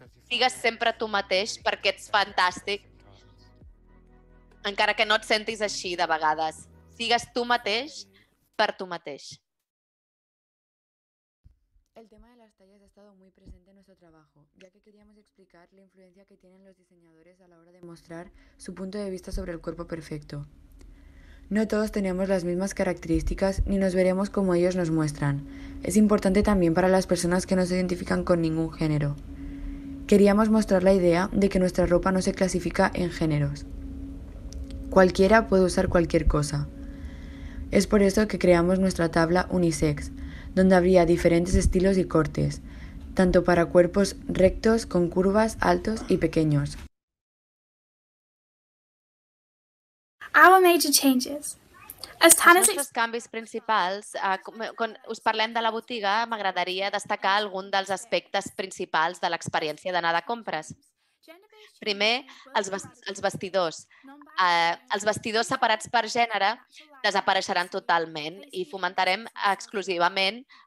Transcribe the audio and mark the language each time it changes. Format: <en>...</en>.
<ca>Digues sempre tu mateix, perquè ets fantàstic, encara que no et sentis així de vegades. Digues tu mateix per tu mateix.</ca> <es>El tema de las tallas ha estado muy presente en nuestro trabajo, ya que queríamos explicar la influencia que tienen los diseñadores a la hora de mostrar su punto de vista sobre el cuerpo perfecto. No todos tenemos las mismas características ni nos veremos como ellos nos muestran. Es importante también para las personas que no se identifican con ningún género. Queríamos mostrar la idea de que nuestra ropa no se clasifica en géneros. Cualquiera puede usar cualquier cosa. Es por eso que creamos nuestra tabla unisex, donde habría diferentes estilos y cortes, tanto para cuerpos rectos, con curvas, altos y pequeños.</es> <en>Our major changes.</en> <ca>Els nostres canvis principals, quan us parlem de la botiga, m'agradaria destacar algun dels aspectes principals de l'experiència d'anar de compres. Primer, els vestidors. Els vestidors separats per gènere desapareixeran totalment i fomentarem exclusivament</ca>